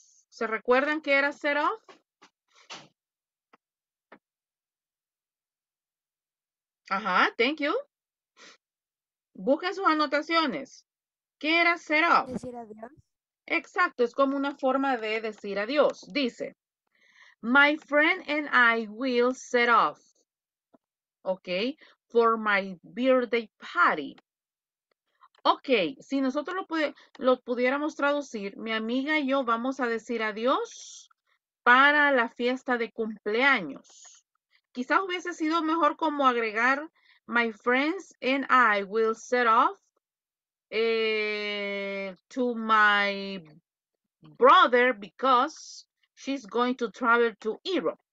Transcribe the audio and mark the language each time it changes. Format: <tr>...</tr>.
<es>¿Se recuerdan qué era set off? Ajá,</es> <en>thank you.</en> <es>Busquen sus anotaciones. ¿Qué era set off? Decir adiós. Exacto, es como una forma de decir adiós. Dice,</es> <en>my friend and I will set off. Ok, for my birthday party.</en> <es>Ok, si nosotros lo pudiéramos traducir, mi amiga y yo vamos a decir adiós para la fiesta de cumpleaños. Quizás hubiese sido mejor como agregar</es> <en>My friends and I will set off to my brother because she's going to travel to Europe.</en>